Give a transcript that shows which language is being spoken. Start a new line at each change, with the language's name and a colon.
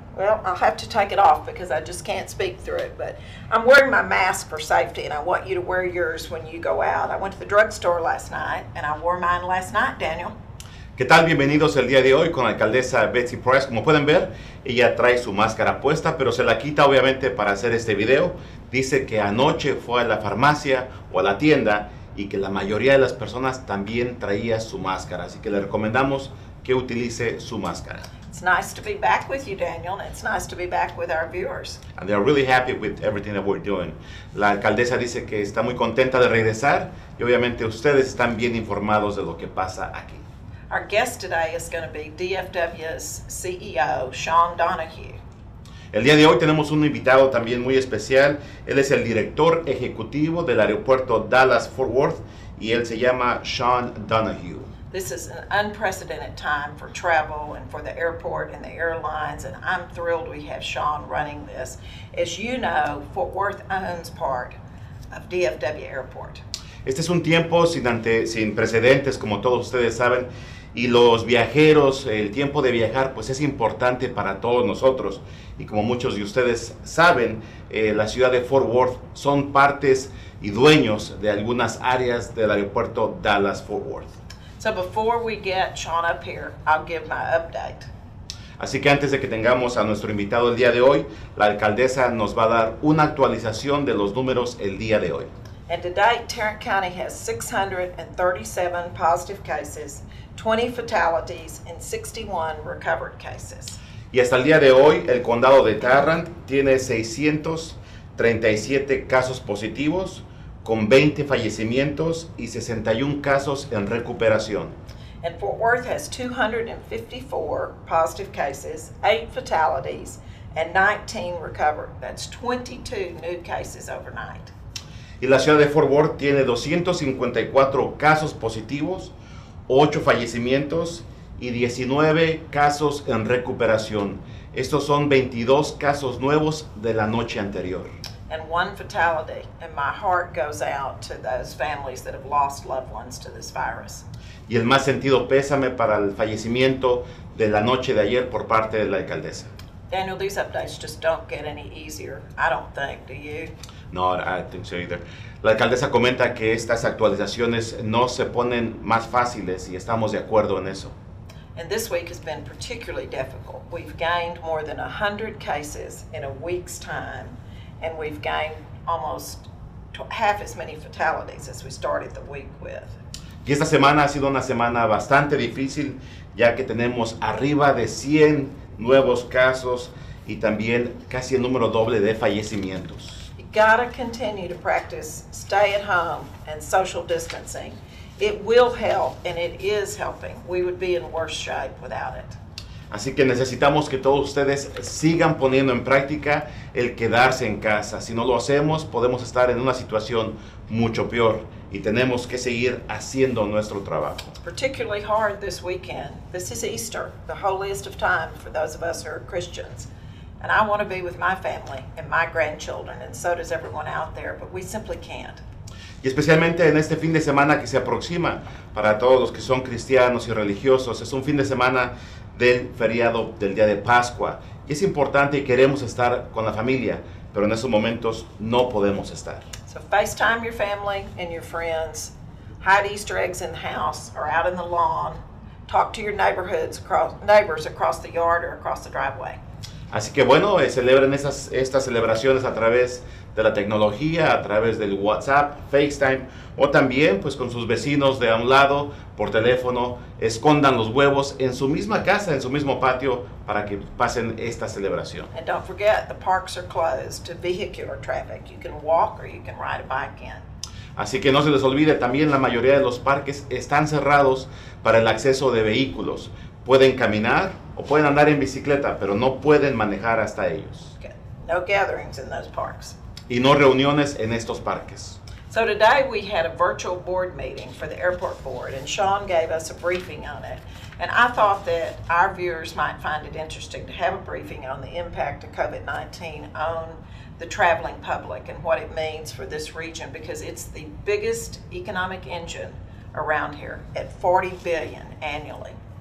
English: Well, I'll have to take it off because I just can't speak through it, but I'm wearing my mask for safety and I want you to wear yours when you go out. I went to the drugstore last night and I wore mine last night, Daniel.
Spanish: ¿Qué tal? Bienvenidos el día de hoy con la alcaldesa Betsy Price. Como pueden ver, ella trae su máscara puesta, pero se la quita obviamente para hacer este video. Dice que anoche fue a la farmacia o a la tienda y que la mayoría de las personas también traía su máscara. Así que le recomendamos que utilice su máscara.
English: It's nice to be back with you, Daniel. It's nice to be back with our viewers. And they're really happy with everything that we're doing.
Spanish: La alcaldesa dice que está muy contenta de regresar y obviamente ustedes están bien informados de lo que pasa aquí.
English: Our guest today is going to be DFW's CEO, Sean Donahue.
Spanish: El día de hoy tenemos un invitado también muy especial. Él es el director ejecutivo del aeropuerto Dallas-Fort Worth y él se llama Sean Donahue.
English: This is an unprecedented time for travel and for the airport and the airlines, and I'm thrilled we have Sean running this. As you know, Fort Worth owns part of DFW Airport.
Spanish: Este es un tiempo sin precedentes, como todos ustedes saben, y los viajeros, el tiempo de viajar, pues es importante para todos nosotros. Y como muchos de ustedes saben, la ciudad de Fort Worth son partes y dueños de algunas áreas del aeropuerto Dallas-Fort Worth.
English: So before we get Sean up here, I'll give my update.
Spanish: Así que antes de que tengamos a nuestro invitado el día de hoy, la alcaldesa nos va a dar una actualización de los números el día de hoy.
English: And to date, Tarrant County has 637 positive cases, 20 fatalities, and 61 recovered cases.
Spanish: Y hasta el día de hoy, el condado de Tarrant tiene 637 casos positivos, con 20 fallecimientos y 61 casos en recuperación.
English: And Fort Worth has 254 positive cases, 8 fatalities, and 19 recovered. That's 22 new cases overnight.
Spanish: Y la ciudad de Fort Worth tiene 254 casos positivos, 8 fallecimientos y 19 casos en recuperación. Estos son 22 casos nuevos de la noche anterior.
English: And one fatality, and my heart goes out to those families that have lost loved ones to this virus.
Spanish: Y el más sentido pésame para el fallecimiento de la noche de ayer por parte de la alcaldesa.
English: Daniel, these updates just don't get any easier, I don't think, do you? No, I don't think so either.
Spanish: La alcaldesa comenta que estas actualizaciones no se ponen más fáciles y estamos de acuerdo en eso.
English: And this week has been particularly difficult. We've gained more than 100 cases in a week's time, and we've gained almost half as many fatalities as we started the week with.
Spanish: Y esta semana ha sido una semana bastante difícil, ya que tenemos arriba de 100 nuevos casos y también casi el número doble de fallecimientos.
English: Gotta continue to practice stay at home and social distancing. It will help and it is helping. We would be in worse shape without it.
Spanish: Así que necesitamos que todos ustedes sigan poniendo en práctica el quedarse en casa. Si no lo hacemos, podemos estar en una situación mucho peor y tenemos que seguir haciendo nuestro trabajo.
English: It's particularly hard this weekend. This is Easter, the holiest of time for those of us who are Christians. And I want to be with my family and my grandchildren, and so does everyone out there, but we simply can't.
Spanish: Y especialmente en este fin de semana que se aproxima, para todos los que son cristianos y religiosos, es un fin de semana del feriado del día de Pascua. Y es importante y queremos estar con la familia, pero en esos momentos no podemos estar.
English: So FaceTime your family and your friends, hide Easter eggs in the house or out in the lawn, talk to your neighbors across the yard or across the driveway.
Spanish: Así que bueno, celebren estas celebraciones a través de la tecnología, a través del WhatsApp, FaceTime, o también pues con sus vecinos de a un lado, por teléfono, escondan los huevos en su misma casa, en su mismo patio, para que pasen esta celebración.
English: And don't forget, the parks are closed to vehicular traffic. You can walk or you can ride a bike in.
Spanish: Así que no se les olvide, también la mayoría de los parques están cerrados para el acceso de vehículos. Pueden caminar o pueden andar en bicicleta, pero no pueden manejar hasta ellos.
English: Okay. No gatherings in those parks.
Spanish: Y no reuniones en estos parques.
English: So today we had a virtual board meeting for the airport board, and Sean gave us a briefing on it. And I thought that our viewers might find it interesting to have a briefing on the impact of COVID-19 on the traveling public and what it means for this region, because it's the biggest economic engine around here at $40 billion annually.